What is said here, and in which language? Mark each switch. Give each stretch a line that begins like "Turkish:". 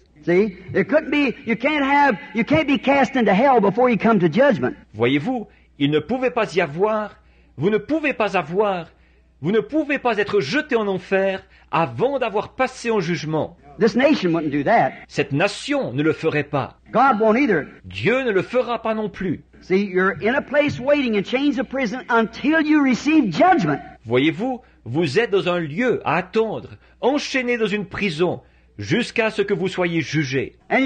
English: See, there couldn't be, you can't be cast into hell before you come to judgment.
French: Voyez-vous, il ne pouvait pas y avoir, vous ne pouvez pas avoir, vous ne pouvez pas être jeté en enfer avant d'avoir passé en jugement.
English: This nation wouldn't do that.
French: Cette nation ne le ferait pas.
English: God won't either.
French: Dieu ne le fera pas non plus.
English: See, you're in a place waiting in chains of prison until you receive judgment.
French: Voyez-vous, vous êtes dans un lieu à attendre, enchaîné dans une prison, jusqu'à ce que vous soyez jugé.